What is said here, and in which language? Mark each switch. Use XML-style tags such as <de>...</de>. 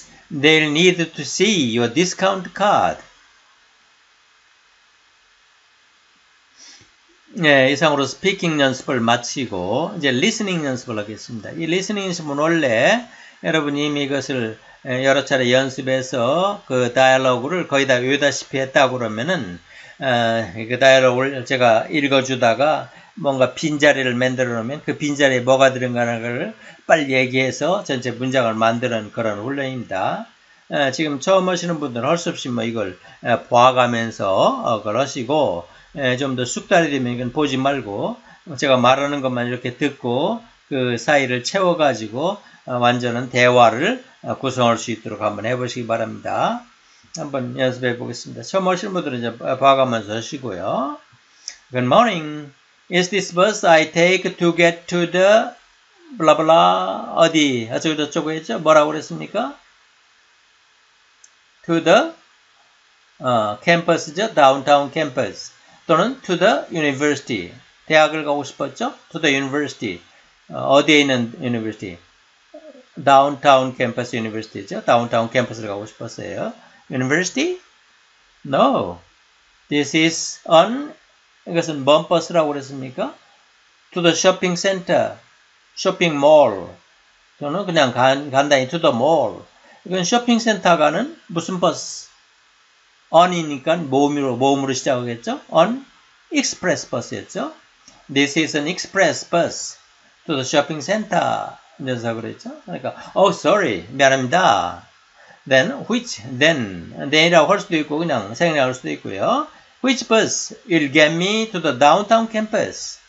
<en>'They'll need to see your discount card.'</en> <ko>네, 이상으로 스피킹 연습을 마치고 이제 리스닝 연습을 하겠습니다. 이 리스닝 연습은 원래 여러분이 이미 이것을 여러 차례 연습해서 그 다이얼로그를 거의 다 외우다시피 했다고 그러면은 그 다이얼로그를 제가 읽어주다가 뭔가 빈자리를 만들어 놓으면 그 빈자리에 뭐가 들어가는가를 빨리 얘기해서 전체 문장을 만드는 그런 훈련입니다. 지금 처음 하시는 분들은 할 수 없이 뭐 이걸 봐가면서 그러시고 좀 더 숙달이 되면 이건 보지 말고 제가 말하는 것만 이렇게 듣고 그 사이를 채워가지고 완전한 대화를 구성할 수 있도록 한번 해보시기 바랍니다. 한번 연습해 보겠습니다. 처음 오신 분들은 이제 봐가면서 하시고요.</ko> <en>Good morning. Is this bus I take to get to the blah blah 어디?</en> <ko>저쪽 저쪽 했죠? 뭐라고 그랬습니까?</ko> <en>To the campus죠? Downtown campus. 또는 to the university.</en> <ko>대학을 가고 싶었죠?</ko> <en>To the university.</en> <ko>어디에 있는</ko> <en>university? Downtown campus university죠? Downtown campus를</en> <ko>가고 싶었어요.</ko> <en>University? No. This is an,</en> <ko>이것은 뭔 버스라고 그랬습니까?</ko> <en>To the shopping center, shopping mall.</en> <ko>또는 그냥 간단히</ko> <en>to the mall.</en> <ko>이건 shopping center 가는 무슨 버스? On이니까 모음으로 시작하겠죠?</ko> <en>On express bus였죠? This is an express bus to the shopping center.</en> <ko>이래서 그랬죠? 그러니까,</ko> <en>oh, sorry.</en> <ko>미안합니다.</ko> <en>Then, which,</en> <ko>then이라고 할 수도 있고, 그냥 생략할 수도 있고요.</ko> <en>Which bus will get me to the downtown campus?</en>